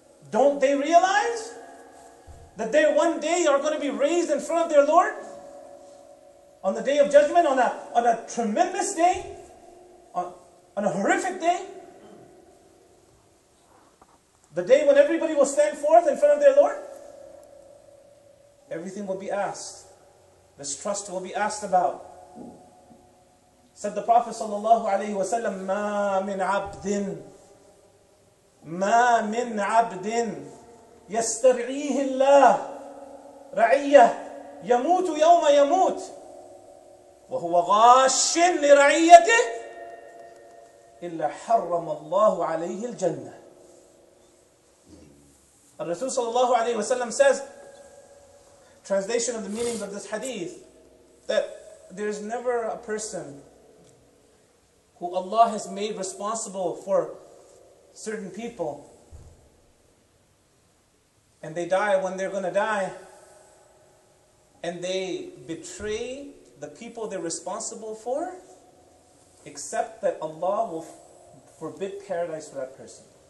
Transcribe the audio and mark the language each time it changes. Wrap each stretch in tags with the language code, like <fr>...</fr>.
<en>Don't they realize that they one day are going to be raised in front of their Lord on the day of judgment, on a tremendous day, on a horrific day? The day when everybody will stand forth in front of their Lord? Everything will be asked. This trust will be asked about. Said the Prophet</en> <ar>sallallahu alayhi wa sallam, مَا مِنْ عَبْدٍ مَا مِنْ عَبْدٍ يَسْتَرْعِيهِ اللَّهِ رَعِيَّةِ يَمُوتُ يَوْمَ يَمُوتُ وَهُوَ غَاشٍ لِرَعِيَّتِهِ إِلَّا حَرَّمَ اللَّهُ عَلَيْهِ الْجَنَّةِ.</ar> <en>Rasul sallallahu alayhi wa sallam says, translation of the meanings of this hadith, that there is never a person who Allah has made responsible for certain people, and they die when they're going to die, and they betray the people they're responsible for, except that Allah will forbid paradise for that person.</en>